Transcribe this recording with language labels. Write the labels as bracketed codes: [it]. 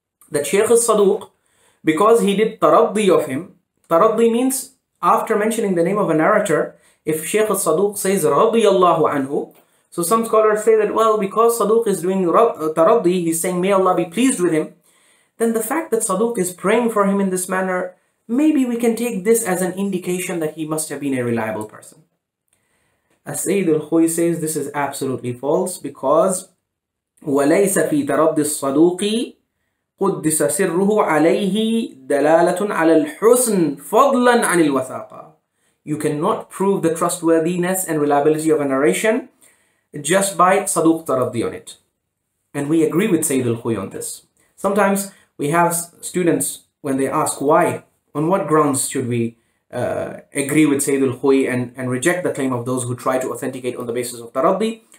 [en] That Shaykh al-Saduq, because he did taraddi of him, taraddi means after mentioning the name of a narrator, if Shaykh al-Saduq says radiyallahu anhu, so some scholars say that, well, because Saduq is doing taraddi, he's saying may Allah be pleased with him, then the fact that Saduq is praying for him in this manner, maybe we can take this as an indication that he must have been a reliable person. As Sayyid al-Khuy says, this is absolutely false, because [ar] وَلَيْسَ فِي تَرَدِّ الصَّدُوقِ قُدِّسَ سِرُّهُ عَلَيْهِ دَلَالَةٌ عَلَى الْحُسْنِ فَضْلًا عَنِ الْوَثَاقَ. [en] You cannot prove the trustworthiness and reliability of a narration just by Saduq taraddi on it. And we agree with Sayyid al-Khuy on this. Sometimes we have students, when they ask why, on what grounds should we agree with Sayyid al-Khuy and reject the claim of those who try to authenticate on the basis of taraddi?